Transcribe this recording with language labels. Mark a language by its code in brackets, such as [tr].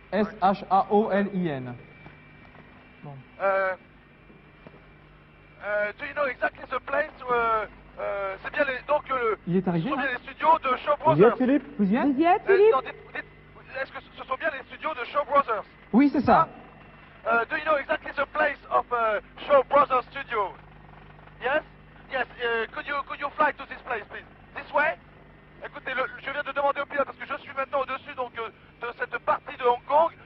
[fr] S-H-A-O-L-I-N. Bon. [en] Do you know exactly the place where... [fr] c'est bien les... Donc, il est arrivé, ce sont bien les studios de Shaw Brothers. Vous y êtes, Philippe? Vous y êtes, Philippe? Est-ce que ce sont bien les studios de Shaw Brothers? Oui, c'est ça. [en] Do you know exactly the place of Shaw Brothers Studio? Yes? Yes, could you fly to this place, please? This way? [fr] Écoutez, je viens de demander au pilote, parce que je suis maintenant au-dessus, donc... de cette partie de Hong Kong.